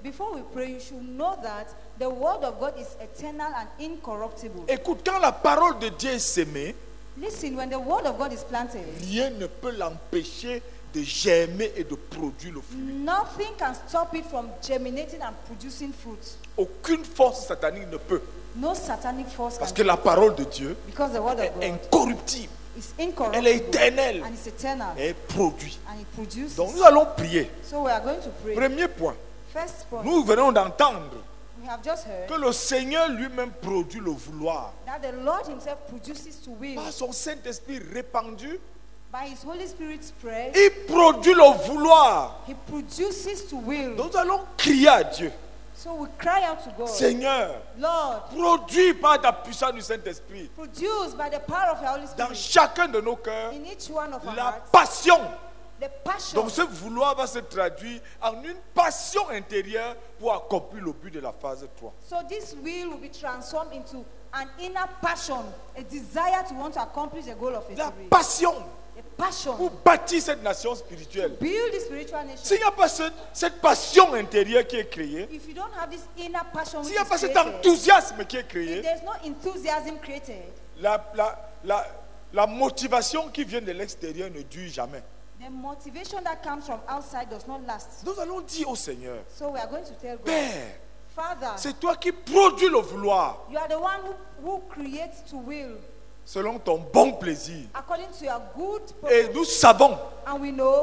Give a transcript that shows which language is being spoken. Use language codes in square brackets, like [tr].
[en] Before we pray, you should know that the word of God is eternal and incorruptible. [fr] Écoute, quand la parole de Dieu est semée, [en] listen, when the word of God is planted, [fr] rien ne peut l'empêcher de germer et de produire le fruit. [en] Nothing can stop it from germinating and producing fruit. [fr] Aucune force satanique ne peut. [en] No satanic force. [fr] Parce que la parole de Dieu [en] because the word [fr] est [en] of God [fr] incorruptible. [en] Is incorruptible. [fr] Elle est éternelle. [en] And it's eternal. [fr] Elle est produit. [en] And it produces. [fr] Donc nous allons prier. [en] So we are going to pray. [fr] Premier point. [en] First point. [fr] Nous venons d'entendre [en] we have just heard [fr] que le Seigneur lui-même produit le vouloir. [en] That the Lord himself produces to will. [fr] Par son Saint-Esprit répandu. [en] By his Holy Spirit spread. [fr] Il produit le vouloir. [en] He produces to will. [fr] Donc nous allons crier à Dieu. [en] So we cry out to God. [fr] Seigneur, [en] Lord, [fr] produit par ta puissance du Saint-Esprit. [en] Produce by the power of your Holy Spirit. [fr] Dans chacun de nos cœurs. [en] In each one of [fr] la [en] our [fr] passion. [en] The passion. [fr] Donc ce vouloir va se traduire en une passion intérieure pour accomplir le but de la phase 3. [en] So this will be transformed into an inner passion, a desire to want to accomplish the goal of history. [fr] La passion. [en] Passion. [fr] Pour bâtir cette nation spirituelle. [en] To build the spiritual nation. [fr] S'il n'y a pas cette passion intérieure qui est créée. [en] If you don't have this inner passion, [fr] s'il n'y a pas [en] created, [fr] cet enthousiasme qui est créé. [en] If there's no enthusiasm created, [fr] la motivation qui vient de l'extérieur ne dure jamais. [en] The motivation that comes from outside does not last. [fr] Nous allons dire au Seigneur. [en] So we are going to tell God, [fr] Père, [en] Father, [fr] c'est toi qui produis le vouloir. [en] You are the one who creates to will. [fr] Selon ton bon plaisir. [en] According to your good purpose, [fr] et nous savons [en] and we know